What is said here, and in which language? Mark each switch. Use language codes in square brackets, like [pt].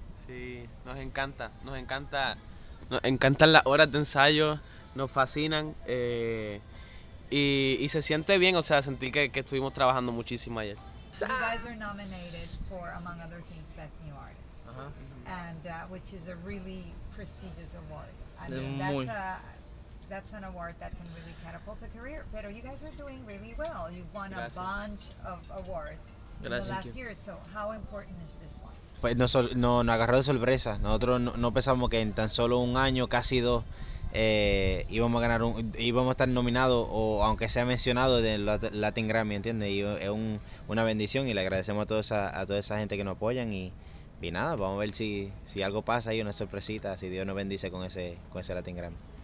[es] Sí, nos encantan las horas de ensayo, nos fascinan y se siente bien, o sea, sentir que estuvimos trabajando muchísimo ayer. [en] You guys are nominated for, among other things, Best New Artist, and which is a really prestigious award. That's an award that can really catapult a career, but you guys are doing really well. You've won [es] Gracias. [en] A bunch of awards [es] Gracias. [en] In the last year, so how important is this one? [es] Pues nos agarró de sorpresa. Nosotros no pensamos que en tan solo un año, casi dos, íbamos a estar nominados o aunque sea mencionado de Latin Grammy, ¿entiendes? Y es una bendición y le agradecemos a toda esa gente que nos apoyan y nada, vamos a ver si algo pasa y una sorpresita, si Dios nos bendice con ese Latin Grammy.